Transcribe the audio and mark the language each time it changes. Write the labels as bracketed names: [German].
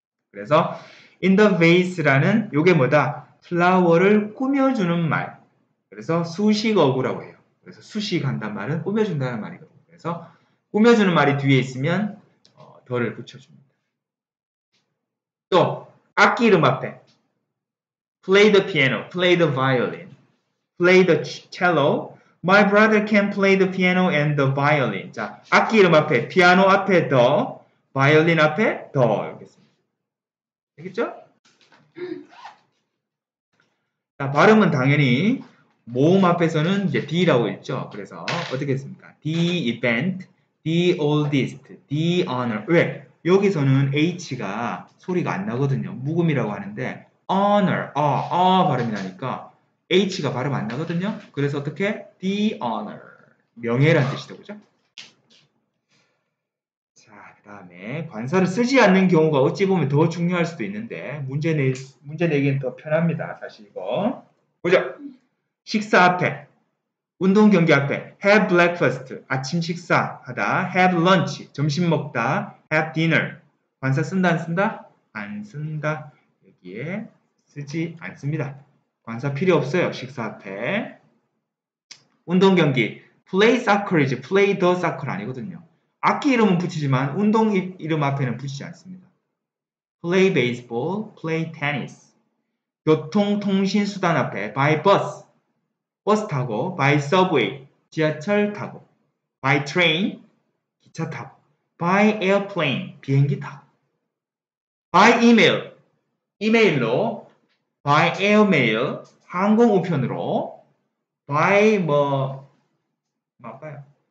[Korean] 그래서 [English] in the vase라는 [Korean] 요게 뭐다? 플라워를 꾸며주는 말. 그래서 수식어구라고 해요. 그래서 수식한다는 말은 꾸며준다는 말이거든요. 그래서 꾸며주는 말이 뒤에 있으면 덜을 붙여줍니다. 또 악기 이름 앞에 [English] play the piano, play the violin, play the cello. My brother can play the piano and the violin. [Korean] 자, 악기 이름 앞에 피아노 앞에 the, violin 앞에 the 이렇게 씁니다. 알겠죠? 자, 발음은 당연히 모음 앞에서는 이제 D라고 했죠. 그래서 어떻게 했습니까? [English] The event, the oldest, the honor. [Korean] 왜? 여기서는 H가 소리가 안 나거든요. 묵음이라고 하는데 honor, 발음이 나니까 H가 발음 안 나거든요. 그래서 어떻게? [English] The honor, [Korean] 명예란 뜻이다, 그죠? 자, 그다음에 관사를 쓰지 않는 경우가 어찌 보면 더 중요할 수도 있는데 문제 내기엔 더 편합니다. 다시 이거 보죠. 식사 앞에, 운동 경기 앞에, [English] have breakfast, [Korean] 아침 식사하다, [English] have lunch, [Korean] 점심 먹다, [English] have dinner. [Korean] 관사 쓴다, 안 쓴다? 안 쓴다. 여기에 쓰지 않습니다. 관사 필요 없어요. 식사 앞에. 운동 경기, [English] play soccer이지, play the soccer [Korean] 아니거든요. 악기 이름은 붙이지만 운동 이름 앞에는 붙이지 않습니다. [English] play baseball, play tennis. [Korean] 교통 통신 수단 앞에, [English] by bus. [Korean] 버스 타고, [English] by subway, [Korean] 지하철 타고, [English] by train, [Korean] 기차 타고, [English] by airplane, [Korean] 비행기 타고, by email, 이메일로, by airmail, 항공 우편으로, by 뭐, 뭐랄까요?